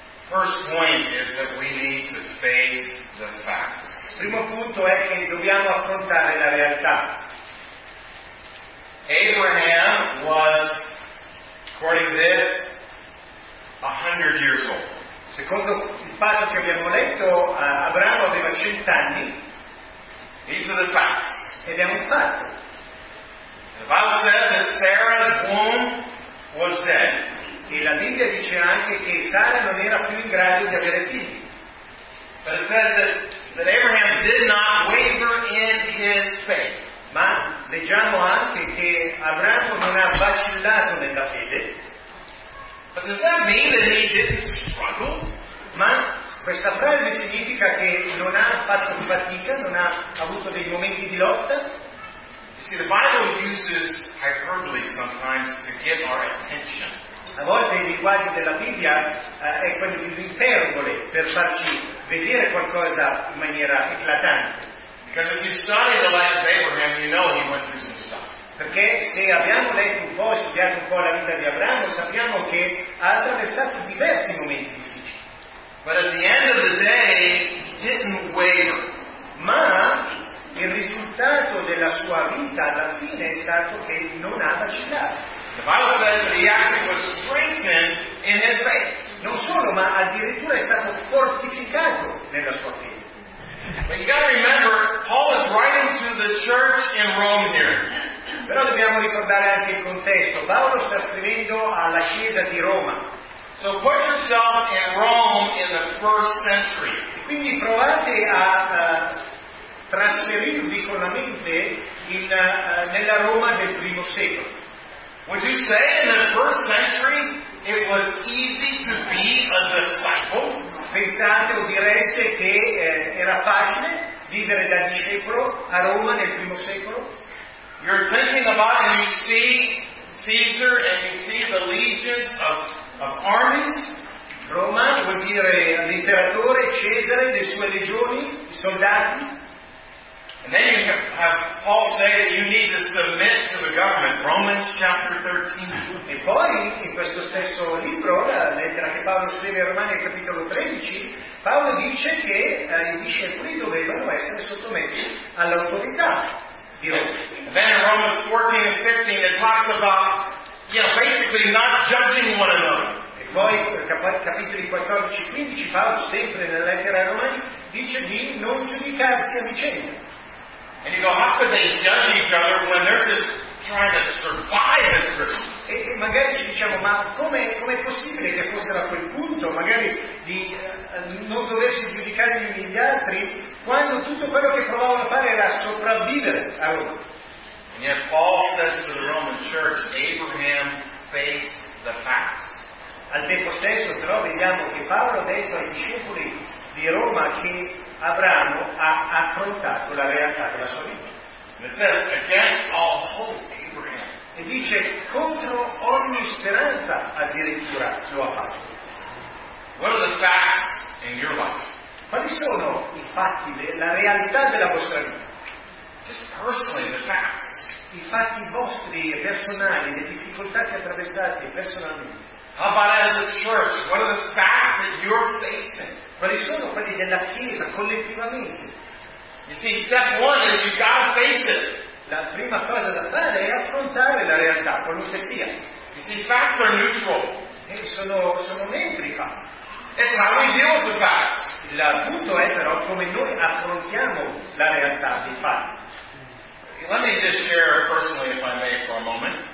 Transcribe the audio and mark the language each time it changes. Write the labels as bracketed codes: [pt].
[en] First point is that we need to face the facts. [it] Primo punto è che dobbiamo affrontare la realtà. [en] Abraham was, according to this, 100 years old. [it] Secondo il passo che abbiamo letto, Abramo aveva 100 anni. [en] These are the facts. [it] Ed è un fatto. [en] The Bible says that Sarah, the womb, was dead. [it] E la Bibbia dice anche che Sara non era più in grado di avere figli. [en] But it says that Abraham did not waver in his faith. [it] Ma leggiamo anche che Abramo non ha vacillato nella fede. [en] But does that mean that he didn't struggle? [it] Ma questa frase significa che non ha fatto fatica, non ha avuto dei momenti di lotta? [en] You see, the Bible uses hyperbole sometimes to get our attention. [it] A volte il linguaggio della Bibbia è quello di un'iperbole per farci vedere qualcosa in maniera eclatante. Perché se abbiamo letto un po', studiato un po' la vita di Abramo, sappiamo che ha attraversato diversi momenti difficili. Ma il risultato della sua vita alla fine è stato che non ha vacillato. [en] The Bible says that he actually was strengthened in his faith. [it] Non solo, ma addirittura è stato fortificato nella sua fede. [en] But you got to remember, Paul is writing to the church in Rome here. [it] Però dobbiamo ricordare anche il contesto. Paolo sta scrivendo alla chiesa di Roma. [en] So put yourself in Rome in the first century. [it] E quindi provate a trasferirvi con la mente nella Roma del primo secolo. [en] Would you say in the first century it was easy to be a disciple? [it] Pensate o direste che era facile vivere da discepolo a Roma nel primo secolo? [en] You're thinking about and you see Caesar and you see the legions of armies. [it] Roma vuol dire l'imperatore, Cesare, le sue legioni, i soldati. [en] And then you have Paul say that you need to submit to the government. Romans chapter 13. [it] E poi in questo stesso libro, la lettera che Paolo scrive ai Romani capitolo 13, Paolo dice che i discepoli dovevano essere sottomessi all'autorità di Roma. [en] And then in Romans 14 and 15 it talks about, basically not judging one another. [it] E poi capitoli 14 e 15 Paolo sempre nella lettera ai Romani dice di non giudicarsi a vicenda. [en] And you go, how could they judge each other when they're just trying to survive as Christians? [it] E magari ci diciamo, ma com'è possibile che fossero a quel punto, magari di non doversi giudicare gli uni gli altri, quando tutto quello che provavano a fare era sopravvivere a Roma? [en] And yet Paul says to the Roman church, Abraham faced the facts. [it] Al tempo stesso, però, vediamo che Paolo ha detto ai discepoli di Roma che Abramo ha affrontato la realtà della sua vita. [en] It says, against all hope, Abraham. [it] E dice contro ogni speranza addirittura lo ha fatto. [en] What are the facts in your life? [it] Quali sono i fatti, la realtà della vostra vita? [en] Just personally, the facts. [it] I fatti vostri e personali, le difficoltà che attraversate personalmente. [en] How about as a church? What are the facts that you're facing? [it] Quali sono quelli della Chiesa collettivamente? [en] You see, step one is you gotta face it. [it] La prima cosa da fare è affrontare la realtà, qualunque sia. [en] You see, facts are neutral. [it] E sono neutri i fatti. [en] It's how we deal with the facts. [it] Il punto è però come noi affrontiamo la realtà dei fatti. [en] Let me just share personally, if I may, for a moment.